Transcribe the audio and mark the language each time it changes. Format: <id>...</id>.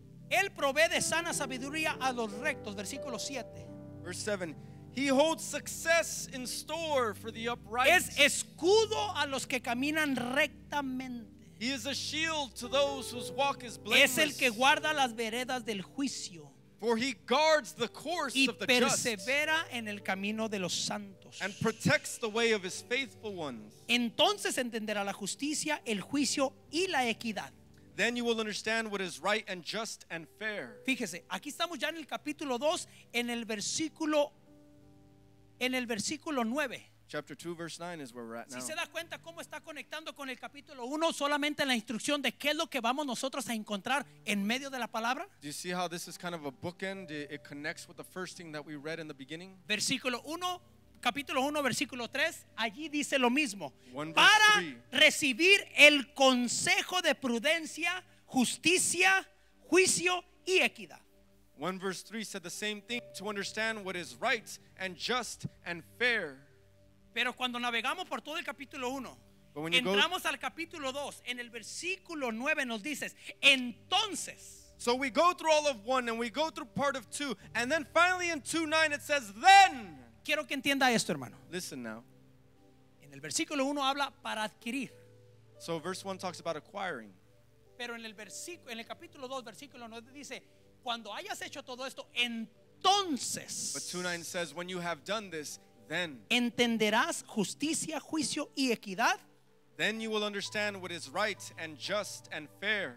<es>Él provee de sana sabiduría a los rectos, versículo 7.</es> <en>Verse 7. He holds success in store for the upright.</en> <es>Es escudo a los que caminan rectamente.</es> <en>He is a shield to those whose walk is blameless.</en> <es>Es el que guarda las veredas del juicio.</es> <en>For he guards the course of the just.</en> <es>Y persevera en el camino de los santos.</es> <en>And protects the way of his faithful ones.</en> <es>Entonces entenderá la justicia, el juicio y la equidad.</es> <en>Then you will understand what is right and just and fair.</en> <es>Fíjese, aquí estamos ya en el capítulo 2, en el versículo 9.</es> <en>Chapter 2 verse 9 is where we're at now.</en> <es>Si se da cuenta cómo está conectando con el capítulo 1, solamente la instrucción de qué es lo que vamos nosotros a encontrar en medio de la palabra.</es> <en>Do you see how this is kind of a bookend? It connects with the first thing that we read in the beginning.</en> <es>Versículo 1, capítulo 1, versículo 3, allí dice lo mismo. Para recibir el consejo de prudencia, justicia, juicio y equidad.</es> <en>1 verse 3 said the same thing, to understand what is right and just and fair.</en> <es>Pero cuando navegamos por todo el capítulo 1, entramos al capítulo 2, en el versículo 9 nos dices, entonces.</es> <en>So we go through all of 1 and we go through part of 2, and then finally in 2:9 it says then.</en> <es>Quiero que entienda esto, hermano.</es> <en>Listen now.</en> <es>En el versículo 1 habla para adquirir.</es> <en>So verse 1 talks about acquiring.</en> <es>Pero en el versículo en el capítulo 2 versículo 9 dice, cuando hayas hecho todo esto, entonces.</es> <en>But 2:9 says when you have done this, then.</en> <es>Entenderás justicia, juicio y equidad.</es> <en>Then you will understand what is right and just and fair.</en>